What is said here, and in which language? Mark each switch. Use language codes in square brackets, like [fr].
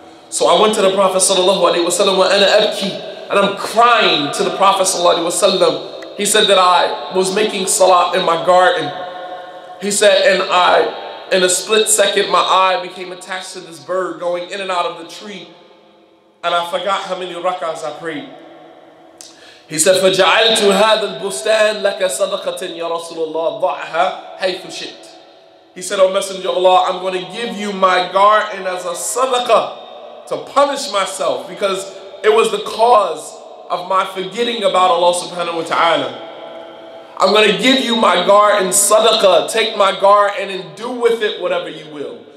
[en] So I went to the Prophet sallallahu alayhi wa sallam [ar] wa ana abki, [en] and I'm crying to the Prophet sallallahu alayhi wa sallam. He said that I was making salat in my garden. He said, and I, in a split second, my eye became attached to this bird going in and out of the tree, and I forgot how many rak'ahs I prayed. [ar] He said, فَجَعَلْتُ هَذَا الْبُسْتَانِ لَكَ صَدَقَةٍ يَا رَسُولَ اللَّهِ ضَعْهَا حَيْثُ شِئْتِ. [en] He said, O Messenger of Allah, I'm going to give you my garden as a sadaqah to punish myself because it was the cause of my forgetting about Allah subhanahu wa ta'ala. I'm going to give you my garden sadaqah. Take my garden and do with it whatever you will.